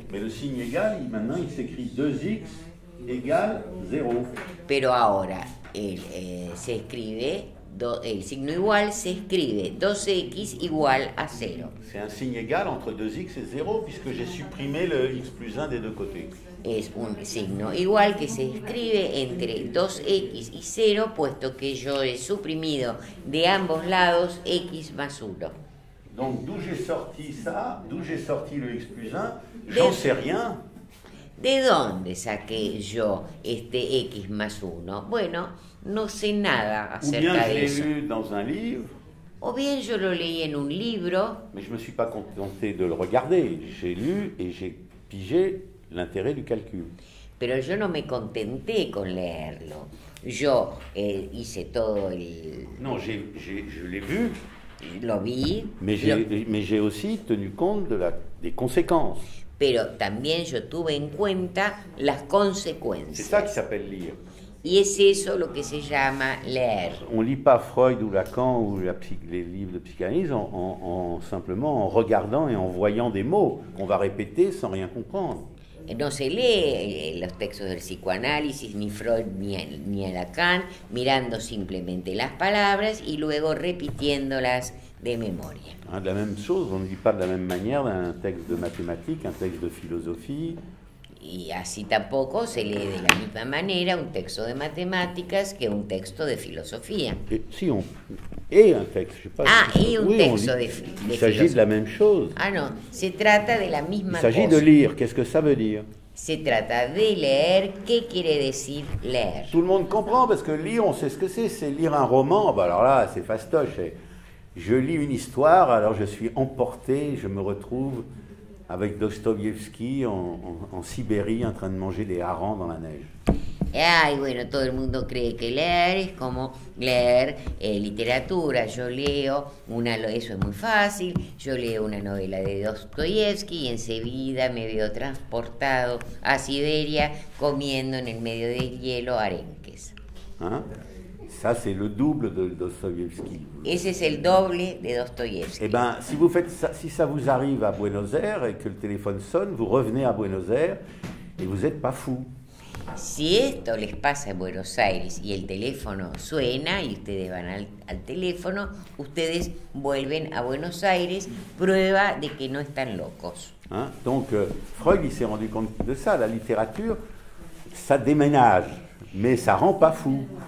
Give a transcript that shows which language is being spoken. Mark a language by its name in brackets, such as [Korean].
[French] Mais le signe égal, maintenant il s'écrit 2x égale 0. [Spanish] Pero ahora se escribe el signo igual se escribe 2x igual a 0. [French] C'est un signe égal entre 2x et 0 puisque j'ai supprimé le x plus 1 des deux côtés. [Spanish] Es un signo igual que se escribe entre 2x y 0 puesto que yo he suprimido de ambos lados x más 1. [French] Donc d'où j'ai sorti ça, d'où j'ai sorti le x plus 1, j'en sais rien. [Spanish] ¿De dónde saqué yo este x más 1? Bueno, no sé nada acerca de eso. [French] Lu dans un livre, [Spanish] o bien yo lo leí en un libro. [French] Mais je me suis pas contenté de le regarder. J'ai lu et j'ai pigé l'intérêt du calcul. [Spanish] Pero yo no me contenté con leerlo. Yo hice todo el... [French] Non, je l'ai vu. [Spanish] Lo vi. [French] Mais j'ai aussi tenu compte des conséquences. [Spanish] Pero también yo tuve en cuenta las consecuencias. [French] C'est ça qui s'appelle lire. [Spanish] Y es eso lo que se llama leer. [French] On lit pas Freud ou Lacan ou les livres de psychanalyse simplement en regardant et en voyant des mots qu'on va répéter sans rien comprendre. [Spanish] No se lee los textos del psicoanálisis, ni Freud ni Lacan, mirando simplemente las palabras y luego repitiéndolas de memoria. [French] De la même chose, on ne lit pas de la même manière un texte de mathématiques, un texte de philosophie. [Spanish] Y así tampoco se lee de la misma manera un texto de matemáticas que un texto de filosofía. Sí, y un texto, [French] je sais pas. [Spanish] Ah, y un texto de filosofía. [French] Il s'agit de la même chose. [Spanish] Ah, no, se trata de la misma cosa. [French] Il s'agit de lire, qu'est-ce que ça veut dire? [Spanish] Se trata de leer, ¿qué quiere decir leer? [French] Tout le monde comprend, parce que lire, on sait ce que c'est lire un roman, bah alors là, c'est fastoche. Je lis une histoire, alors je suis emporté, je me retrouve avec Dostoïevski en Sibérie en train de manger des harengs dans la neige. [Spanish] Ay, bueno, todo el mundo cree que leer es como leer literatura. Yo leo una, eso es muy fácil, yo leo una novela de Dostoyevsky y enseguida me veo transportado a Siberia comiendo en el medio del hielo arenques. ¿Ah? [French] Ça, c'est le double de Dostoïevski. [Spanish] Ese es el doble de Dostoïevski. [French] Eh bien, si vous faites ça, si ça vous arrive à Buenos Aires et que le téléphone sonne, vous revenez à Buenos Aires et vous n'êtes pas fou. [Spanish] si esto les pasa en Buenos Aires y el teléfono suena y ustedes van al teléfono, ustedes vuelven a Buenos Aires, prueba de que no están locos. [French] Hein? Donc Freud il s'est rendu compte de ça, la littérature ça déménage, mais ça rend pas fou.